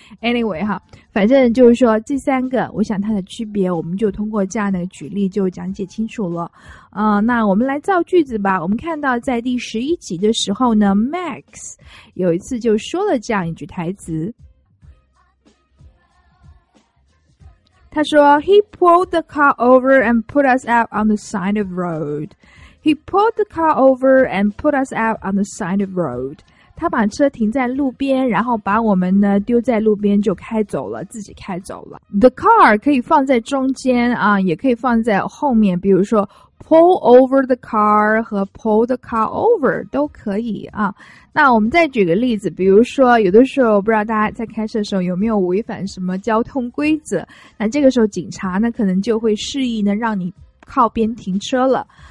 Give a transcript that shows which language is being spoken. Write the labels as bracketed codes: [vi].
[zh] Anyway, 哈，反正就是说这三个我想它的区别我们就通过这样的举例就讲解清楚了。那我们来造句子吧。我们看到在第十一集的时候呢， Max 有一次就说了这样一句台词。他说 [en] He pulled the car over and put us out on the side of road. He pulled the car over and put us out on the side of road. [zh] 他把车停在路边，然后把我们呢丢在路边就开走了，自己开走了。 The car 可以放在中间啊，也可以放在后面，比如说 [en] pull over the car [zh] 和 [en] pull the car over [zh] 都可以啊。那我们再举个例子，比如说有的时候不知道大家在开车的时候有没有违反什么交通规则，那这个时候警察呢可能就会示意呢让你靠边停车了。